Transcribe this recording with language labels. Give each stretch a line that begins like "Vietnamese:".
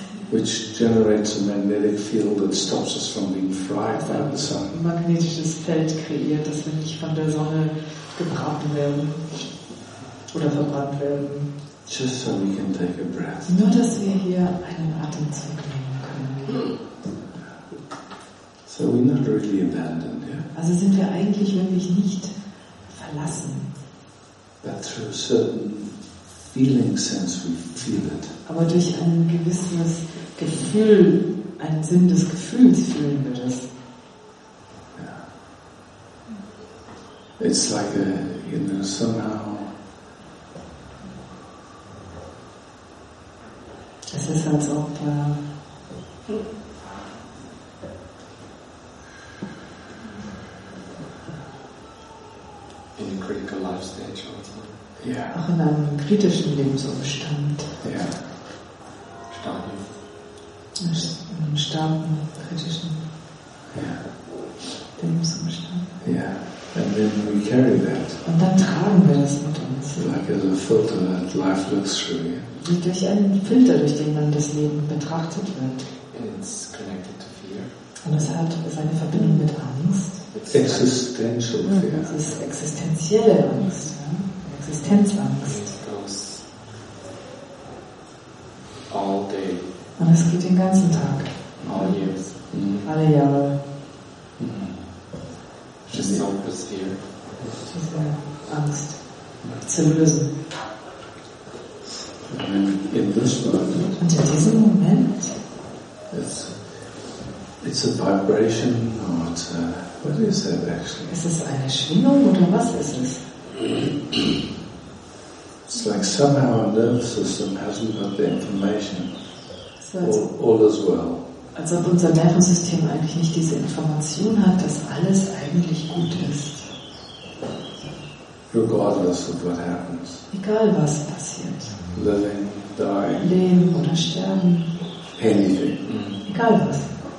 English: which generates a magnetic field that stops us from being fried by the sun.
German: Magnetisches Feld kreiert, dass wir nicht von der Sonne gebraten werden oder verbrannt werden.
English: Just so we can take a breath.
German: Nur dass wir hier einen Atemzug nehmen können.
English: So we're not really abandoned, yeah?
German: Also sind wir eigentlich wirklich nicht verlassen.
English: But through a certain feeling sense we feel it.
German: Aber durch ein gewisses Gefühl, einen Sinn des Gefühls fühlen wir das.
English: Yeah. It's like a, you know, somehow.
German: Es ist, als ob
English: in a critical life stage or something.
German: Yeah. Auch in einem kritischen Lebensumstand. Ja. Yeah. Starken. In einem starken kritischen Lebensumstand.
English: Yeah. And then we carry that.
German: Und dann tragen wir das mit uns.
English: Like as a filter that life looks through you.
German: Wie durch einen Filter, durch den man das Leben betrachtet wird.
English: It's connected to fear.
German: Und es hat seine Verbindung mit Angst.
English: Existential fear.
German: Es ist existenzielle Angst. Ja? Existenzangst.
English: All day.
German: Und es geht den ganzen Tag.
English: All years.
German: Mm-hmm. Alle Jahre.
English: Just help us here.
German: Diese Angst zu lösen.
English: In this moment,
German: und in diesem Moment,
English: it's a vibration, or it's a, what is that actually?
German: Ist es eine Schwingung oder was ist es?
English: It's like somehow our nervous system hasn't got the information, all as well.
German: Als ob unser Nervensystem eigentlich nicht diese Information hat, dass alles eigentlich gut ist.
English: Regardless of what happens.
German: Egal was passiert.
English: Living, dying.
German: Leben oder sterben.
English: Anything.
German: Egal was.